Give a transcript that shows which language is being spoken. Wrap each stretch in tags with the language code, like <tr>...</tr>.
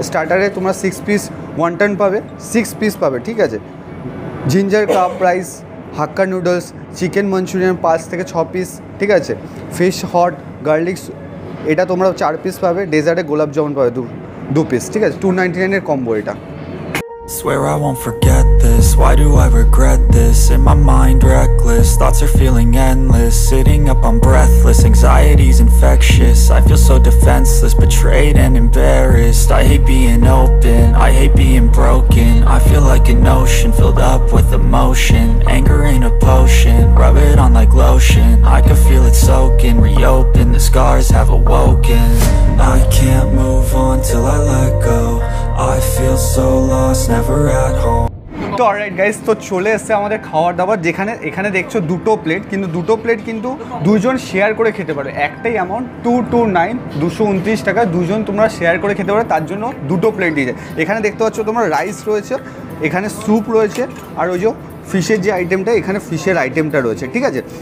<bn>স্টার্টারে তোমরা 6 piece wonton পাবে, 6 piece পাবে, ঠিক আছে। জিঞ্জার কাপ রাইস, হাক্কা নুডলস, চিকেন মঞ্চুরিয়ান 5 থেকে 6 পিস, ঠিক আছে। ফিশ হট গার্লিক এটা তোমরা 4 পিস পাবে, ডেজার্টে গোলাপজামুন পাবে 2 পিস, ঠিক আছে। 299 কম্বো এটা।</bn> <en>Swear I won't forget this. Why do I regret this? In my mind reckless, thoughts are feeling endless. Sitting up, I'm breathless, anxiety's infectious. I feel so defenseless, betrayed and embarrassed. I hate being open, I hate being broken. I feel like an ocean filled up with emotion. Anger ain't a potion, rub it on like lotion. I can feel it soaking, reopen, the scars have awoken. I can't move on till I let go. I feel so lost, never at home.</en> <bn>তো alright guys, তো চলে এসছে আমাদের খাওয়ার দাবার, যেখানে এখানে দেখছো দুটো প্লেট, কিন্তু দুটো প্লেট কিন্তু দুজন শেয়ার করে খেতে পারে। একটাই অ্যামাউন্ট 229, 229 টাকা দুজন তোমরা শেয়ার করে খেতে পারো, তার জন্য দুটো প্লেট দিয়ে যায়। এখানে দেখতে পাচ্ছ তোমরা রাইস রয়েছে, এখানে স্যুপ রয়েছে, আর ওই যে ফিশের যে আইটেমটা, এখানে ফিশের আইটেমটা রয়েছে, ঠিক আছে।</bn>